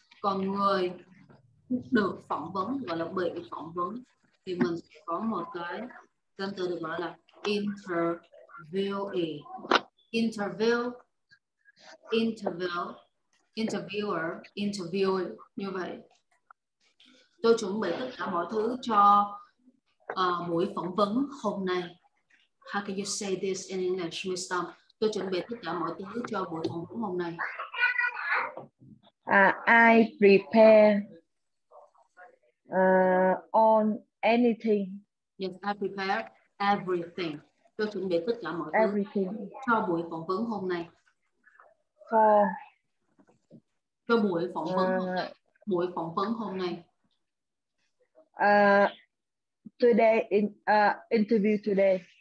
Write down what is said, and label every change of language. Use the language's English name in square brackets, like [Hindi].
[Vietnamese] Còn người được phỏng vấn gọi là bị phỏng vấn thì mình sẽ có một cái danh từ được gọi là interviewee. [English] Interview. Interview. Interviewer. Interviewee. [Vietnamese] Như vậy. Tôi chuẩn bị tất cả mọi thứ cho buổi phỏng vấn hôm nay. [English] How can you say this in English, Miss Tom? [Vietnamese] Tôi chuẩn bị tất cả mọi thứ cho buổi phỏng vấn hôm nay. [English] I prepare on anything. Yes, I prepare everything. [Vietnamese] Tôi chuẩn bị tất cả mọi [English] everything. [Vietnamese] Thứ cho buổi phỏng vấn hôm nay. [English] For [Vietnamese] cho buổi phỏng vấn hôm nay. Buổi phỏng vấn hôm nay. [English] Today in interview today.